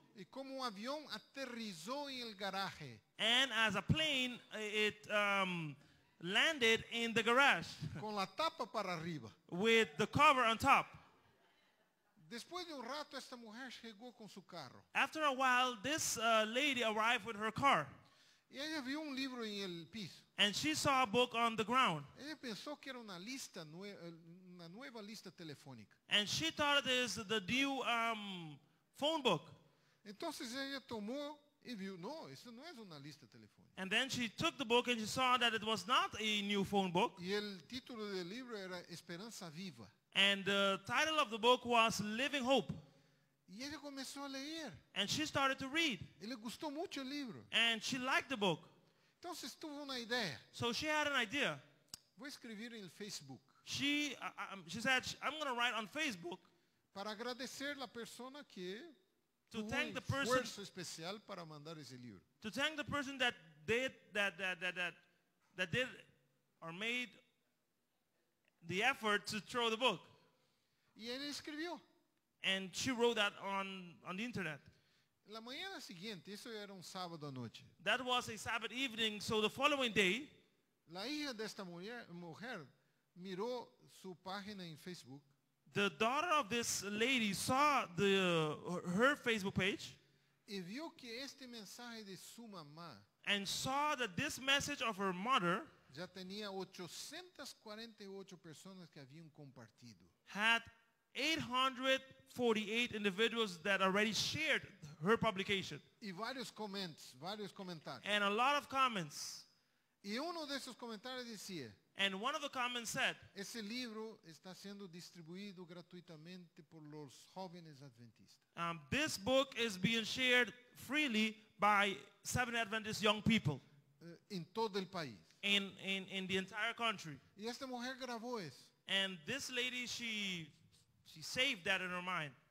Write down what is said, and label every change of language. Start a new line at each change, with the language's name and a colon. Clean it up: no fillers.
Spanish: Y como un avión aterrizó en el garaje.
English: And as a plane, it landed in the garage.
Spanish: Con la tapa para arriba.
English: With the cover on top.
Spanish: Después de un rato, esta mujer llegó con su carro.
English: After a while, this lady arrived with her car.
Spanish: Y ella vio un libro en el piso.
English: And she saw a book on the ground.
Spanish: Ella pensó que era una lista una nueva lista telefónica.
English: And she thought it is the new phone book.
Spanish: Entonces ella tomó y vio, no, eso no es una lista telefónica.
English: And then she took the book and she saw that it was not a new phone book.
Spanish: Y el título del libro era Esperanza Viva.
English: And the title of the book was Living Hope.
Spanish: Y ella comenzó a leer.
English: And she started to read.
Spanish: Y le gustó mucho el libro.
English: And she liked the book.
Spanish: Entonces tuvo una idea.
English: So she had an idea.
Spanish: Voy a escribir en Facebook.
English: She said, I'm going to write on Facebook.
Spanish: Para agradecer la persona que
English: to thank the person,
Spanish: esfuerzo especial para mandar ese libro.
English: To thank the person that did or made the effort to throw the book.
Spanish: Y ella escribió.
English: And she wrote that on the internet.
Spanish: La mañana siguiente, eso era un sábado noche.
English: That was a Sabbath evening, so the following day,
Spanish: la hija de esta mujer miró su página en Facebook.
English: The daughter of this lady saw her Facebook page.
Spanish: Y vio que este mensaje de su mamá.
English: And saw that this message of her mother.
Spanish: Ya tenía 848 personas que habían compartido.
English: Had 848 individuals that already shared her publication.
Spanish: Y varios comments, varios comentarios.
English: And a lot of comments.
Spanish: Y uno de esos comentarios decía,
English: and one of the comments said,
Spanish: ese libro está siendo distribuido gratuitamente por los jóvenes adventistas.
English: This book is being shared freely by seven Adventist young people.
Spanish: En todo el país.
English: In the entire country.
Spanish: Y esta mujer grabó eso.
English: And this lady, she saved that in her mind.